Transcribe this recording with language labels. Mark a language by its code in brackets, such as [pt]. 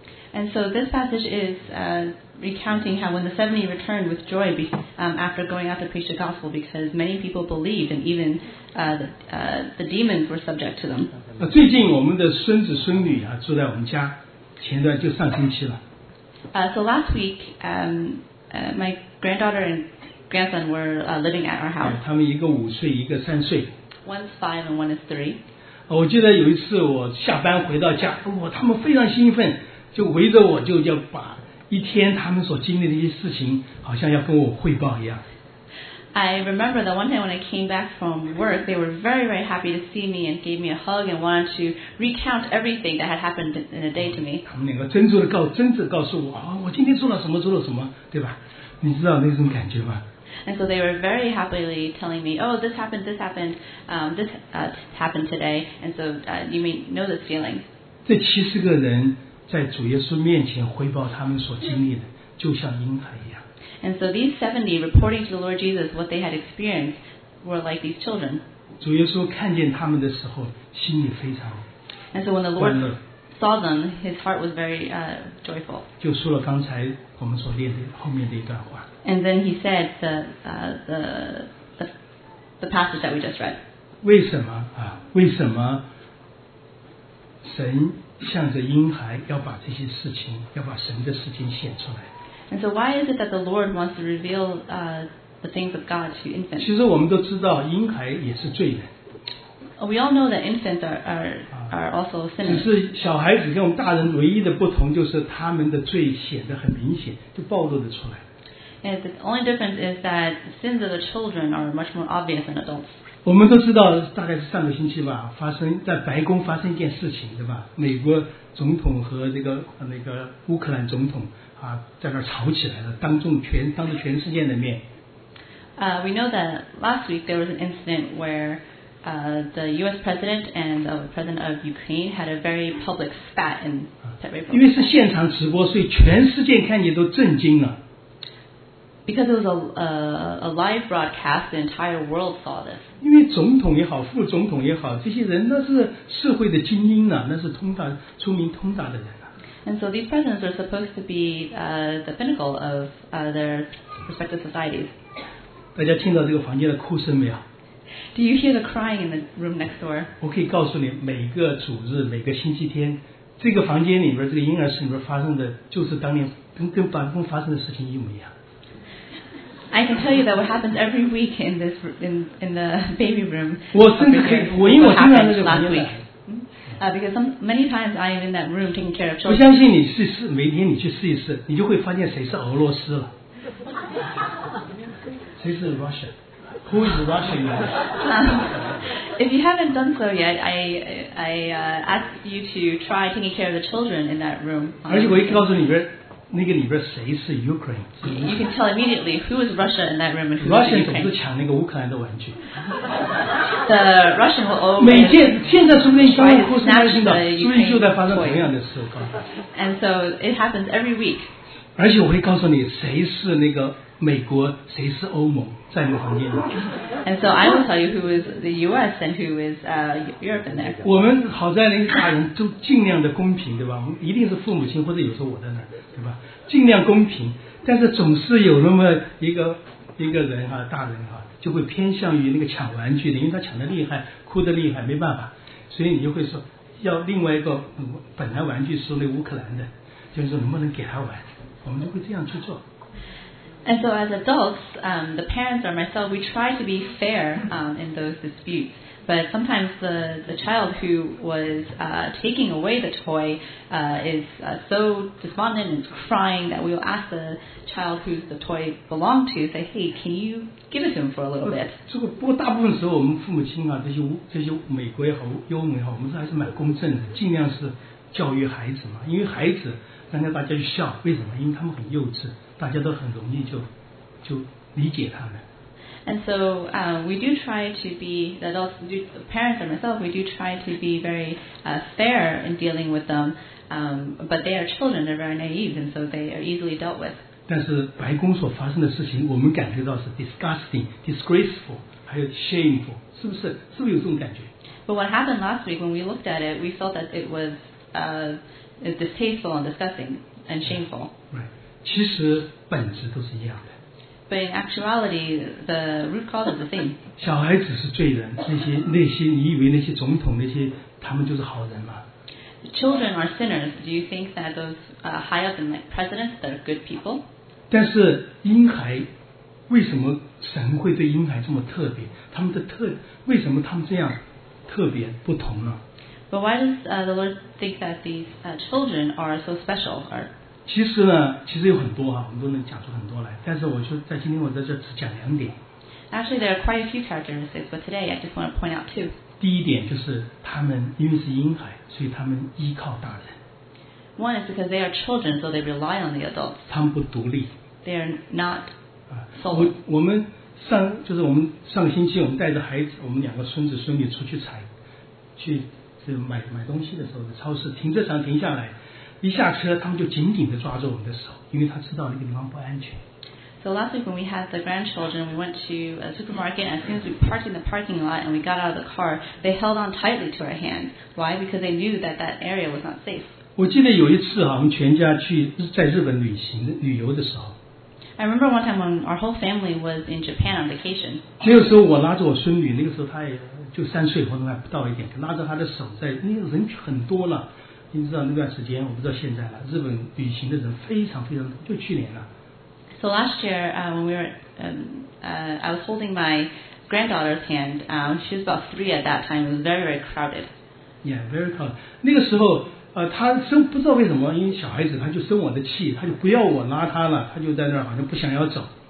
[en] And so this passage is recounting how when the 70 returned with joy after going out to preach the gospel because many people believed and even the demons were subject to them. [zh] 最近我们的孙子孙女啊住在我们家，前段就上星期了。 [en] So last week, my granddaughter and grandson were living at our house. [zh] 他们一个五岁，一个三岁。 [en] One's five and one is three. [zh] 我记得有一次我下班回到家，他们非常兴奋，就围着我就要把一天他们所经历的一些事情好像要跟我汇报一样。 [en] I remember that one day when I came back from work, they were very, very happy to see me and gave me a hug and wanted to recount everything that had happened in a day to me. [zh] 他们两个真挚告诉我、哦、我今天做了什么，对吧？你知道那种感觉吗？ [en] And so they were very happily telling me, oh, this happened, happened today. And so you may know this feeling. [zh] 这七十个人在主耶稣面前汇报他们所经历的，就像婴孩一样。 [en] And so these 70 reporting to the Lord Jesus what they had experienced were like these children. [zh] 主耶稣看见他们的时候，心里非常欢乐。 [en] And so when the Lord saw them, his heart was very joyful. [zh] 就说了刚才我们所念的后面的一段话。 [en] And then he said the passage that we just read. [zh] 为什么啊？为什么神向着婴孩要把这些事情，要把神的事情显出来。 [en] And so why is it that the Lord wants to reveal the things of God to infants? [zh] 其实我们都知道婴孩也是罪人。 [en] We all know that infants are also sinners. [zh] 只是小孩子跟我们大人唯一的不同就是他们的罪显得很明显，就暴露得出来。 [en] And the only difference is that sins of the children are much more obvious than adults. [zh] 我们都知道大概是上个星期吧，发生在白宫发生一件事情，对吧？美国总统和那个乌克兰总统啊在那吵起来了，当着全世界的面。 [en] We know that last week there was an incident where the US president and the president of Ukraine had a very public spat in February. [zh] 因为是现场直播，所以全世界看见都震惊了。 [en] Because it was a live broadcast, the entire world saw this. [zh] 因为总统也好，副总统也好，这些人那是社会的精英啊，那是通达、出名通达的人啊。 [en] And so these presidents are supposed to be the pinnacle of their respective societies. [zh] 大家听到这个房间的哭声没有？ [en] Do you hear the crying in the room next door? [zh] 我可以告诉你，每个主日、每个星期天，这个房间里边、这个婴儿室里边发生的，就是当年跟白宫发生的事情一模一样。 [en] I can tell you that what happens every week in this in the baby room. [zh] 我甚至可以，我因为我经常在那个房间。 [en] Because many times I am in that room taking care of children. [zh] 我相信你试试，每天你去试一试，你就会发现谁是俄罗斯了。谁是 [en] Russia? Who is Russia now? If you haven't done so yet, I ask you to try taking care of the children in that room. [zh] 而且我也告诉你们。那个里边谁是 Ukraine？ [en] You can tell immediately who is Russia in that room and who is Russian. [zh] 总是抢那个乌克兰的玩具。 [en] The Russian will always. [zh] 每件现在说不定刚刚哭声都听到，说不定就在发生同样的事。我告诉你。 [en] And so it happens every week. [zh] 而且我会告诉你谁是那个美国，谁是欧盟，在那个房间里。 [en] And so I will tell you who is the U.S. and who is Europe in there. [zh] 我们好在那个大人都尽量的公平，对吧？一定是父母亲或者有时候我在那儿。对吧？尽量公平，但是总是有那么一个人哈、啊，大人哈、啊，就会偏向于那个抢玩具的，因为他抢的厉害，哭的厉害，没办法。所以你就会说要另外一个本来玩具是那乌克兰的，就是能不能给他玩，我们就会这样去做。 [en] And so as adults, the parents or myself, we try to be fair in those disputes. But sometimes the child who was taking away the toy is so despondent and is crying that we will ask the child who the toy belonged to, say, hey, can you give it to him for a little bit? [zh] 这个不过大部分时候我们父母亲啊，这些美国也好，欧美也好，我们还是蛮公正的，尽量是教育孩子嘛，因为孩子让大家去笑，为什么？因为他们很幼稚。大家都很容易就理解他们。 [en] And so, we do try to be, the adults, the parents and myself, we do try to be very, fair in dealing with them, but they are children, they're very naive, and so they are easily dealt with. [zh] 但是白宫所发生的事情，我们感觉到是 [en] disgusting, disgraceful, [zh] 还有 [en] shameful, [zh] 是不是？是不是有这种感觉？ [en] But what happened last week when we looked at it, we felt that it was, distasteful and disgusting and shameful. Right. [zh] 其实本质都是一样的。 [en] But in actuality, the root cause is the same. [zh] 小孩子是罪人，那些你以为那些总统那些他们就是好人吗 [en] ？Children are sinners. Do you think that those high up in like presidents that are good people? [zh] 但是婴孩为什么神会对婴孩这么特别？他们的特为什么他们这样特别不同呢 [en] ？But why does the Lord think that these children are so special? Or [zh] 其实呢，其实有很多啊，我们都能讲出很多来。但是我就在今天我在这只讲两点。 [en] Actually, there are quite a few characteristics, but today I just want to point out two. [zh] 第一点就是他们因为是婴孩，所以他们依靠大人。 [en] One is because they are children, so they rely on the adults. [zh] 他们不独立。 [en] They are not solo. [zh] 我们上个星期我们带着孩子，我们两个孙子孙女出去采，去买东西的时候，在超市停车场停下来。一下车，他们就紧紧地抓住我们的手，因为他知道那个地方不安全。 [en] So last week when we had the grandchildren, we went to a supermarket. As soon as we parked in the parking lot and we got out of the car, they held on tightly to our hands. Why? Because they knew that that area was not safe. [zh] 我记得有一次啊，我们全家去在日本旅游的时候。 [en] I remember one time when our whole family was in Japan on vacation. [zh] 那个时候我拉着我孙女，那个时候她也就三岁或者还不到一点，拉着她的手在，那个人很多了。你知道那段时间，我不知道现在了。日本旅行的人非常非常多，就去年了。 [en] So last year, when we were, I was holding my granddaughter's hand. She was about three at that time. It was very, very crowded. Yeah, very crowded. [zh] 那个时候，他生不知道为什么，因为小孩子，他就生我的气，他就不要我拉他了，他就在那儿好像不想要走。